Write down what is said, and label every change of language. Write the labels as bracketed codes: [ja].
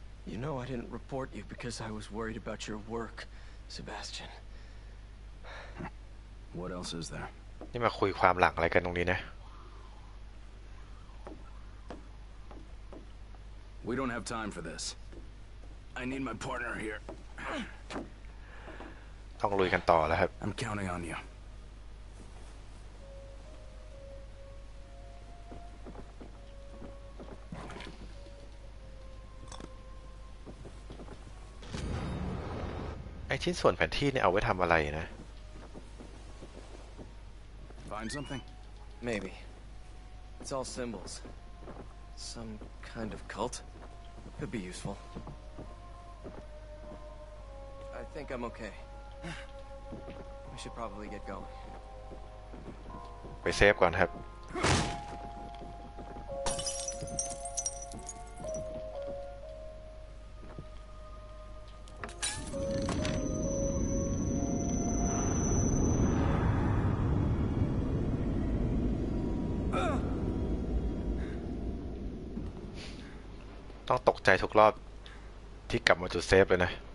[en] You know I didn't report you because I was worried about your work, Sebastian. What else is there? [th] นี่มาคุยความหลังอะไรกันตรงนี้นะ [en] We don't have time for this. I need my partner here. [th] ต้องลุยกันต่อแล้วครับ [en] I'm counting on you. [th] ชิ้นส่วนแผนที่เนี่ยเอาไว้ทำอะไรนะ [en] Find something maybe It's all symbols some kind of cult could be useful I think I'm okay We should probably get going [th] ไปเซฟก่อนครับต้องตกใจทุกรอบที่กลับมาจุดเซฟเลยนะ